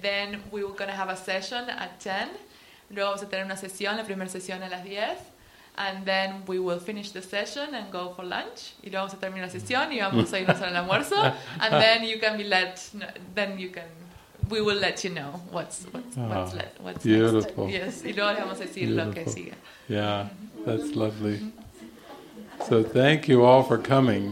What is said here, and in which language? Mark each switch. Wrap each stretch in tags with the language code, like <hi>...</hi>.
<en>Then we're going to have a session at 10.</en> <es>Luego vamos a tener una sesión, la primera sesión a las 10.</es> <en>And then we will finish the session and go for lunch.</en> <es>Y luego vamos a terminar la sesión y vamos a irnos al almuerzo.</es> <en>And then you can be let. Then you can. We will let you know what's beautiful. Next. Beautiful. Yes.</en> <es>Y luego le vamos a decir lo que sigue.</es> <en>Yeah, that's lovely. So thank you all for coming.</en>